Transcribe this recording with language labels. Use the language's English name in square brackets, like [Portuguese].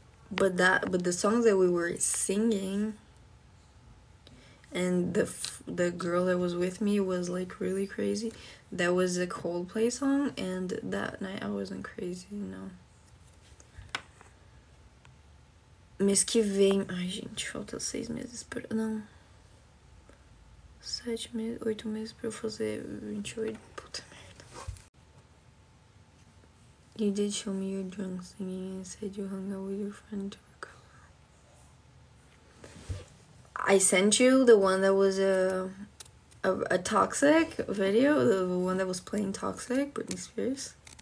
[English] But the songs that we were singing, and the girl that was with me was like really crazy. That was a Coldplay song, and that night I wasn't crazy, no. [Portuguese] Mês que vem, ai gente, falta 6 meses pra, não, 7 meses, 8 meses pra eu fazer 28. [English] You did show me your drunk singing and said you hung out with your friend to recover. I sent you the one that was a toxic video, the one that was playing toxic, Britney Spears.